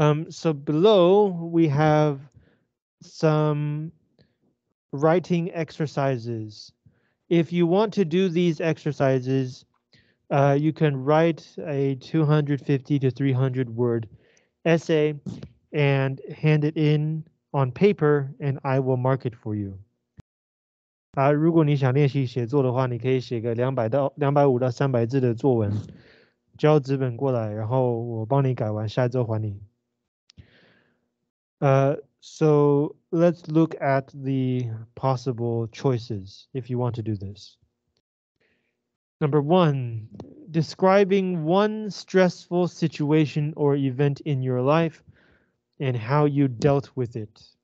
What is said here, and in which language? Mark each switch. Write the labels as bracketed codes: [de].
[en] So below we have some writing exercises. If you want to do these exercises, you can write a 250 to 300 word essay and hand it in on paper and I will mark it for you. [zh] 如果你想练习写作的话，你可以写个200到250到300字的作文，交纸本过来，然后我帮你改完，下周还你。 [en] So let's look at the possible choices if you want to do this. Number one, describing one stressful situation or event in your life and how you dealt with it.